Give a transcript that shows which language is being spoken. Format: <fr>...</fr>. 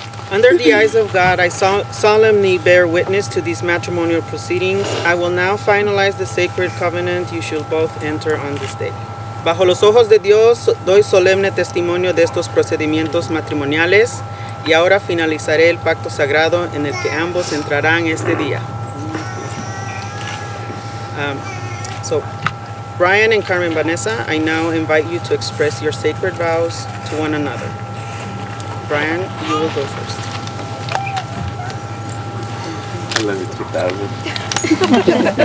<en>Under the eyes of God, I solemnly bear witness to these matrimonial proceedings. I will now finalize the sacred covenant you shall both enter on this day.</en> <es>Bajo los ojos de Dios, doy solemne testimonio de estos procedimientos matrimoniales, y ahora finalizaré el pacto sagrado en el que ambos entrarán este día.</es> <en>So, Bryan and Carmen Vanessa, I now invite you to express your sacred vows to one another. Bryan, you will go first. Let me treat that one.</en>